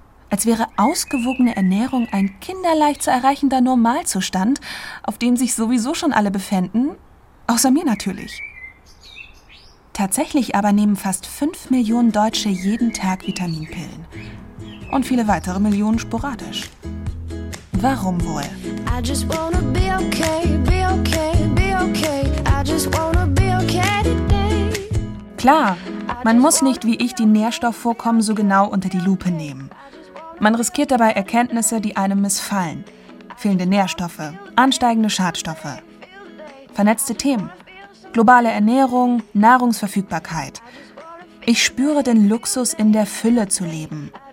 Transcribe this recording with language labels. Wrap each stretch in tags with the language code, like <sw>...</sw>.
<de>als wäre ausgewogene Ernährung ein kinderleicht zu erreichender Normalzustand, auf dem sich sowieso schon alle befänden, außer mir natürlich. Tatsächlich aber nehmen fast 5 Millionen Deutsche jeden Tag Vitaminpillen. Und viele weitere Millionen sporadisch. Warum wohl?</de> <en>I just wanna be okay, be okay, be okay. I just wanna be okay today.</en> <de>Klar, man muss nicht wie ich die Nährstoffvorkommen so genau unter die Lupe nehmen. Man riskiert dabei Erkenntnisse, die einem missfallen. Fehlende Nährstoffe, ansteigende Schadstoffe. Vernetzte Themen. Globale Ernährung, Nahrungsverfügbarkeit. Ich spüre den Luxus, in der Fülle zu leben.</de>